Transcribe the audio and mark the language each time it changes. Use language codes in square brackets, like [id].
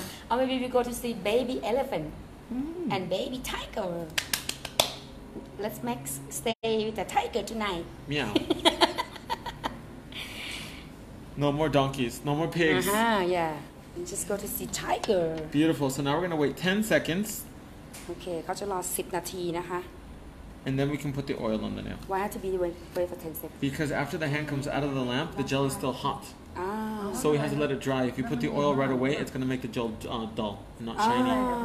[en] Or maybe we go to see baby elephant. And baby tiger. Let's make stay with the tiger tonight. Meow. No more donkeys. No more pigs. Uh-huh, yeah. We just go to see tiger. Beautiful. So now we're going to wait 10 seconds. [th] Okay, เขาจะรอ 10 นาทีนะคะ [en] And then we can put the oil on the nail. Why have to be wait for 10 seconds? Because after the hand comes out of the lamp, the gel is still hot. So we have to let it dry. If you put the oil right away, it's going to make the gel dull, not shiny.